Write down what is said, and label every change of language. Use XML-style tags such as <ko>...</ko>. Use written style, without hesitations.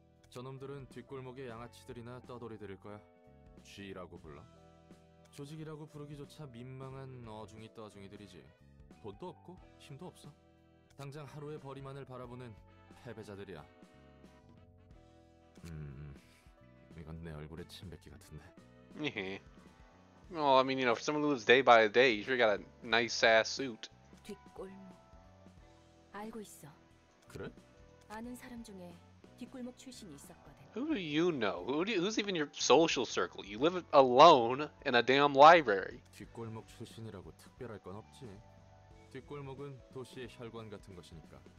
<ko>저놈들은 뒷골목에 양아치들이나 떠돌이들일 거야. 쥐라고 불러. 조직이라고 부르기조차 민망한 어중이 떠중이들이지. 돈도 없고 힘도 없어. 당장 하루의 벌이만을 바라보는 패배자들이야. 이건 내 얼굴에 침뱉기 같은데.</ko> <en>Well, I mean, you know, for someone who lives day by day, you sure got a nice ass suit.</en> <ko>뒷골목. 알고 있어. 그래? 아는 사람 중에 뒷골목 출신이 있었거든.</ko> <en>Who do you know? Who's even your social circle? You live alone in a damn library.</en> <ko>뒷골목 출신이라고 특별할 건 없지. 뒷골목은 도시의 혈관 같은 것이니까.</ko>